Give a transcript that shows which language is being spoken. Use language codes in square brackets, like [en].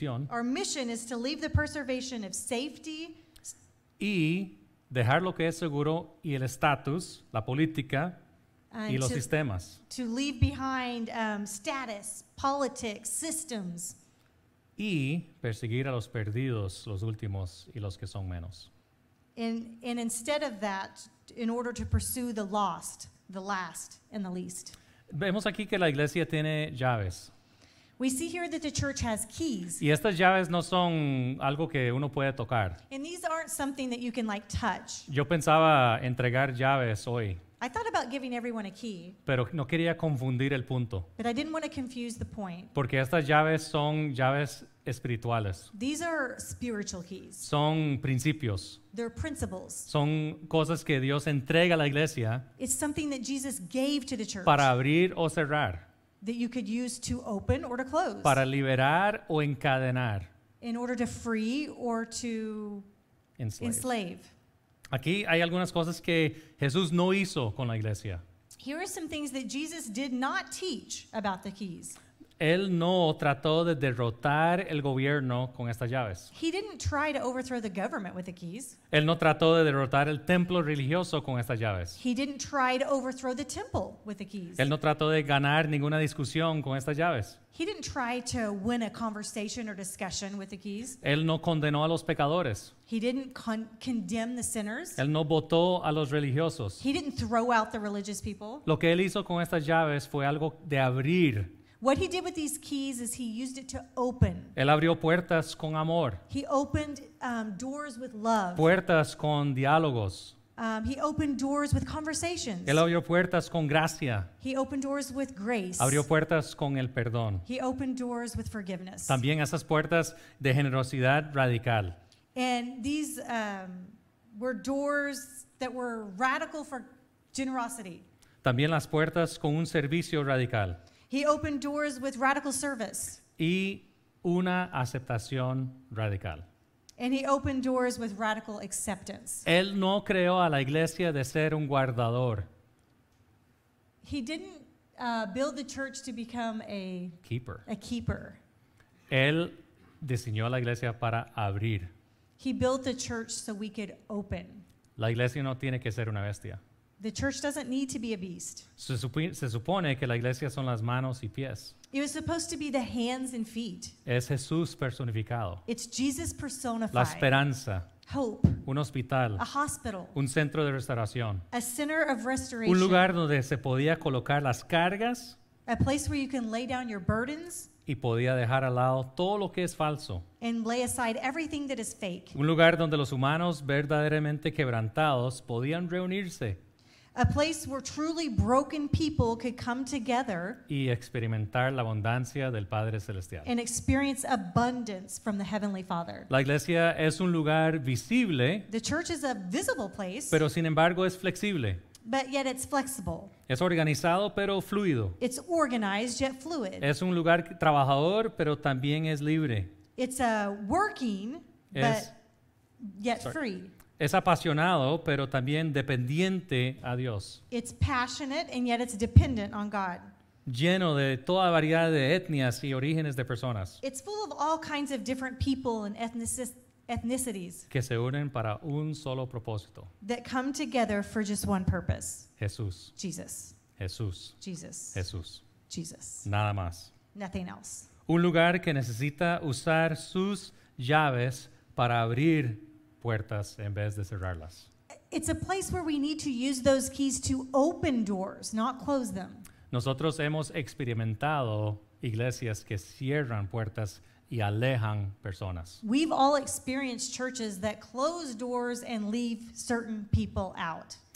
[en] Our mission is to leave the preservation of safety [es] y dejar lo que es seguro y el estatus, la política y los sistemas. [en] To leave behind status, politics, systems. [es] Y perseguir a los perdidos, los últimos y los que son menos. [en] And instead of that, in order to pursue the lost, the last, and the least. [es] Vemos aquí que la iglesia tiene llaves. [en] We see here that the church has keys. [es] Y estas llaves no son algo que uno puede tocar. [en] And these aren't something that you can like touch. [es] Yo pensaba entregar llaves hoy. [en] I thought about giving everyone a key. [es] Pero no quería confundir el punto. [en] But I didn't want to confuse the point. [es] Porque estas llaves son llaves espirituales. [en] These are spiritual keys. [es] Son principios. [en] They're principles. [es] Son cosas que Dios entrega a la iglesia. [en] It's something that Jesus gave to the church. [es] Para abrir o cerrar. [en] That you could use to open or to close. [es] Para liberar o encadenar. [en] In order to free or to enslave. [es] Aquí hay algunas cosas que Jesús no hizo con la iglesia. [en] Here are some things that Jesus did not teach about the keys. [es] Él no trató de derrotar el gobierno con estas llaves. [en] He didn't try to overthrow the government with the keys. [es] Él no trató de derrotar el templo religioso con estas llaves. [en] He didn't try to overthrow the temple with the keys. [es] Él no trató de ganar ninguna discusión con estas llaves. [en] He didn't try to win a conversation or discussion with the keys. [es] Él no condenó a los pecadores. [en] He didn't condemn the sinners. [es] Él no botó a los religiosos. [en] He didn't throw out the religious people. [es] Lo que él hizo con estas llaves fue algo de abrir. [en] What he did with these keys is he used it to open. [es] Él abrió puertas con amor. [en] He opened doors with love. [es] Puertas con diálogos. [en] He opened doors with conversations. [es] Él abrió puertas con gracia. [en] He opened doors with grace. [es] Abrió puertas con el perdón. [en] He opened doors with forgiveness. [es] También esas puertas de generosidad radical. [en] And these were doors that were radical for generosity. [es] También las puertas con un servicio radical. [en] He opened doors with radical service. [es] Y una aceptación radical. [en] And he opened doors with radical acceptance. [es] Él no creó a la iglesia de ser un guardador. [en] He didn't build the church to become a keeper. A keeper. [es] Él diseñó a la iglesia para abrir. [en] He built the church so we could open. [es] La iglesia no tiene que ser una bestia. [en] The church doesn't need to be a beast. [es] Se supone que la iglesia son las manos y pies. [en] It was supposed to be the hands and feet. [es] Es Jesús personificado. [en] It's Jesus personified. [es] La esperanza. [en] Hope. [es] Un hospital. [en] A hospital. [es] Un centro de restauración. [en] A center of restoration. [es] Un lugar donde se podía colocar las cargas. [en] A place where you can lay down your burdens. [es] Y podía dejar al lado todo lo que es falso. [en] And lay aside everything that is fake. [es] Un lugar donde los humanos verdaderamente quebrantados podían reunirse. [en] A place where truly broken people could come together. [es] Y experimentar la abundancia del Padre Celestial. [en] And experience abundance from the Heavenly Father. [es] La iglesia es un lugar visible. [en] The church is a visible place. [es] Pero sin embargo es flexible. [en] But yet it's flexible. [es] Es organizado pero fluido. [en] It's organized yet fluid. [es] Es un lugar trabajador pero también es libre. [en] It's a working but yet free. [es] Es apasionado pero también dependiente a Dios. [en] It's passionate and yet it's dependent on God. [es] Lleno de toda variedad de etnias y orígenes de personas. [en] It's full of all kinds of different people and ethnicities [es] que se unen para un solo propósito. [en] That come together for just one purpose. [es] Jesús. [en] Jesus. [es] Jesús. [en] Jesus. [es] Jesús. [en] Jesus. [es] Nada más. [en] Nothing else. [es] Un lugar que necesita usar sus llaves para abrir puertas en vez de cerrarlas. [en] It's a place where we need to use those keys to open doors, not close them. [es] Nosotros hemos experimentado iglesias que cierran puertas y alejan personas. [en] We've all experienced churches that close doors and leave certain people out.